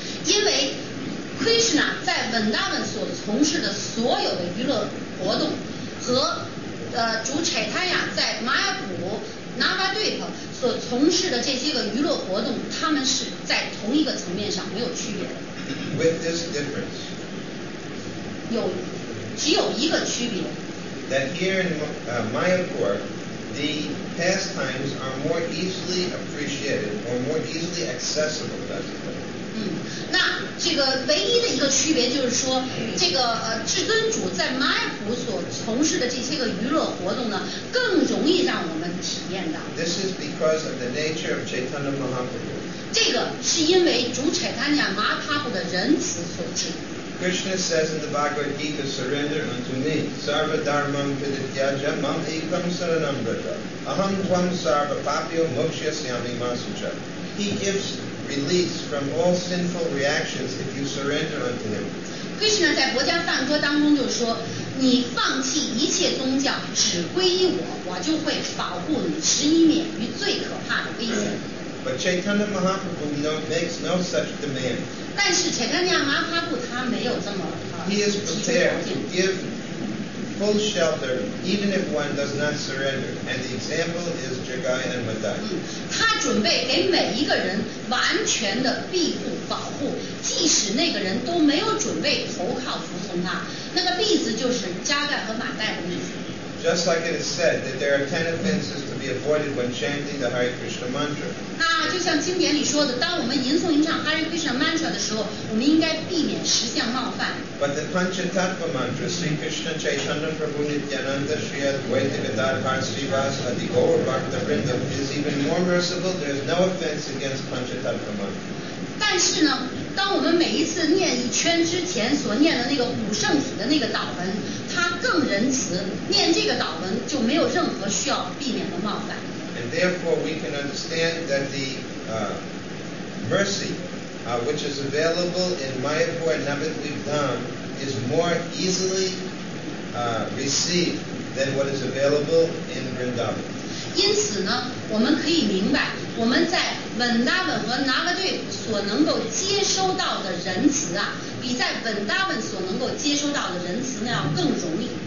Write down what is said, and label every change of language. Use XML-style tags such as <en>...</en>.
<zh>因为 Krishna 在本达本所从事的所有的娱乐活动和主柴他亚在玛雅普拿巴对特所从事的这些个娱乐活动，他们是在同一个层面上没有区别的。</zh> <en>With this difference,</en> <zh>有只有一个区别。</zh> <en>That here in Mayapur, the pastimes are more easily appreciated or more easily accessible. That's it.</en> <zh>那这个唯一的一个区别就是说，这个至尊主在玛雅普所从事的这些个娱乐活动呢，更容易让我们体验到。</zh> <en>This is because of the nature of Chaitanya Mahaprabhu.</en> <zh>这个是因为主柴塔尼亚马哈普的仁慈所致。</zh> <en>Krishna says in the Bhagavad Gita, "Surrender unto me,</en> <sa>sarva dharmam pidityaja mam ekam saranam braja, aham tvam sarva papyo mokshyasyami masucha."</sa> <en>He gives. Release from all sinful reactions if you surrender unto him.</en> <zh>Krishna 在薄伽梵歌当中就说，你放弃一切宗教，只归依我，我就会保护你，使你免于最可怕的危险。</zh> <en>But Chaitanya Mahaprabhu makes no such demand.</en> <zh>但是 Chaitanya Mahaprabhu 他没有这么</zh> <en>He is prepared to give full shelter even if one does not surrender. And the example is Jagai and Madai.</en> <zh>他准备给每一个人完全的庇护保护，即使那个人都没有准备投靠服从他。那个例子就是加盖和马代的例子。</zh> <en>Just like it is said that there are 10 offenses to be avoided when chanting the Hare Krishna mantra.</en> <zh>那就像经典里说的，当我们吟诵吟唱 Hare Krishna mantra 的时候，我们应该避免十项冒犯。</zh> <en>But the Panchatattva mantra, Sri Krishna Chaitanya Prabhu Nityananda Sri Advaita Gadadhar Parasrivas Adi Gaur Bhakta Vrindam is even more merciful. There is no offense against Panchatattva mantra.</en> <zh>但是呢，当我们每一次念一圈之前所念的那个五圣子的那个祷文，它更仁慈，念这个祷文就没有任何需要避免的冒犯。</zh> <en>And therefore we can understand that the mercy which is available in Mayapur and Navadvipam is more easily received than what is available in Vrindavan.</en> <zh>因此呢，我们可以明白，我们在 Vrindavan 和 Navadvip 所能够接收到的仁慈啊，比在 Vrindavan 所能够接收到的仁慈呢要更容易。</zh>